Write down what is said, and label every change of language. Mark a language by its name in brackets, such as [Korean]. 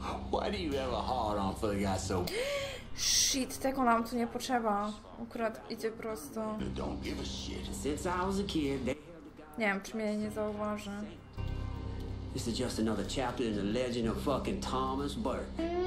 [English] Why do you have a hard on for the guy so [Polish] shit, tego nam tu nie potrzeba. Akurat idzie prosto. [English] Don't give a shit. Since I was a kid, they... [Polish] Nie wiem, czy mnie nie zauważy. [English] This is just another chapter in the legend of fucking Thomas Burke.